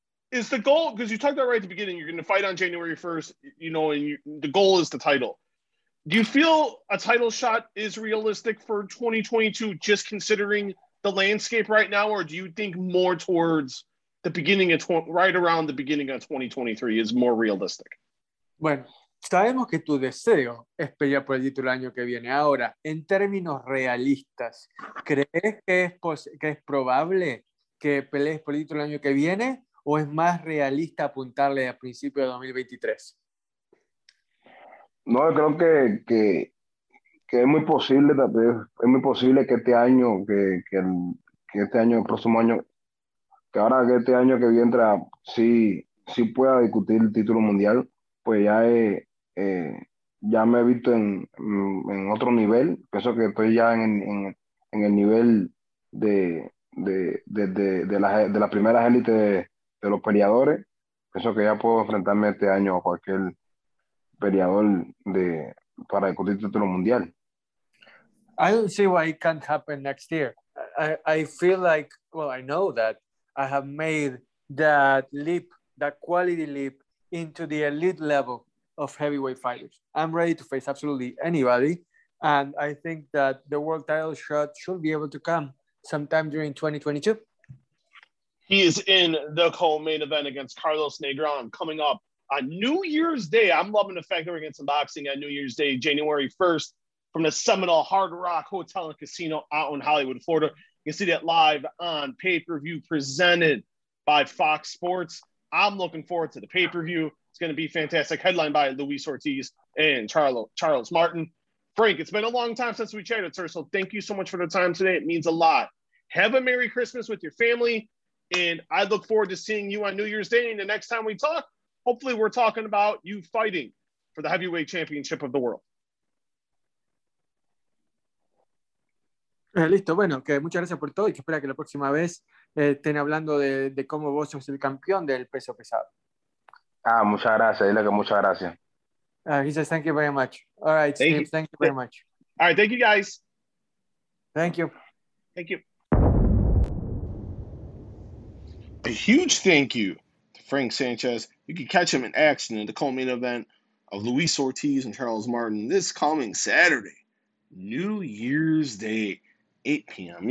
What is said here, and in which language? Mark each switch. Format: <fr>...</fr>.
<en>Is the goal, because you talked about right at the beginning, you're going to fight on January 1st, you know, and the goal is the title. Do you feel a title shot is realistic for 2022, just considering the landscape right now? Or do you think more towards the beginning of right around the beginning of 2023 is more realistic?</en> <es>Bueno, sabemos que tu deseo es pelear por el título el año que viene. Ahora, en términos realistas, ¿crees que es probable que pelees por el título el año que viene? ¿O es más realista apuntarle a principio de 2023? No, creo que es muy posible, que este año, que este año, el próximo año, que ahora que este año que viene, sí pueda discutir el título mundial, pues ya ya me he visto en otro nivel. Pienso que estoy ya en el nivel de la primera élite de los peleadores, pienso que ya puedo enfrentarme este año a cualquier peleador de para discutir el título mundial.</es> <en>I don't see why it can't happen next year. I feel like, well, I know that I have made that leap, that quality leap into the elite level of heavyweight fighters. I'm ready to face absolutely anybody. And I think that the world title shot should be able to come sometime during 2022. He is in the co-main event against Carlos Negron coming up on New Year's Day. I'm loving the fact that we're getting some boxing on New Year's Day, January 1st. From the Seminole Hard Rock Hotel and Casino out in Hollywood, Florida. You can see that live on pay-per-view presented by Fox Sports. I'm looking forward to the pay-per-view. It's going to be fantastic. Headlined by Luis Ortiz and Charles Martin. Frank, it's been a long time since we chatted, sir, so thank you so much for the time today. It means a lot. Have a Merry Christmas with your family, and I look forward to seeing you on New Year's Day. And the next time we talk, hopefully we're talking about you fighting for the heavyweight championship of the world.</en> <es>Listo, bueno, que muchas gracias por todo y que espera que la próxima vez estén hablando de cómo vos sos el campeón del peso pesado. Ah, muchas gracias, dile que muchas gracias.</es> <en>He says thank you very much. All right, thank Steve, you. Thank you very much. All right, thank you guys. Thank you. Thank you. A huge thank you to Frank Sanchez. You can catch him in action in the co-main event of Luis Ortiz and Charles Martin this coming Saturday, New Year's Day. 8 p.m.</en>